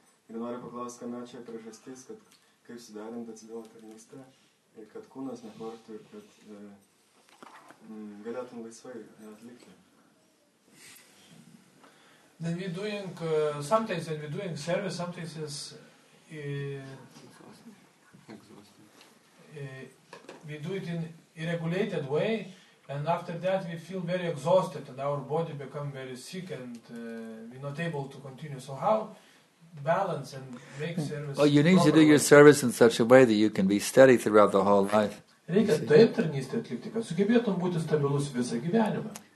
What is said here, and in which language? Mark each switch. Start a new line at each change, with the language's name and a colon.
Lithuanian: Ir noriu paklausti, kame čia priežastis, kad kaip suderinti atsigavimo tarnystę, kad kūnas neportų ir kad galėtum laisvai atlikti.
English: Then we doing, sometimes when we doing service, sometimes is... we do it in irregulated way and after that we feel very exhausted and our body become very sick and we're not able to continue. So how balance and make service? Well, you need to do your service in such a way that you can be steady throughout the whole life.
Lithuanian: Reikia taip tarnystę atlikti, kad sugebėtum būti stabilus visą gyvenimą.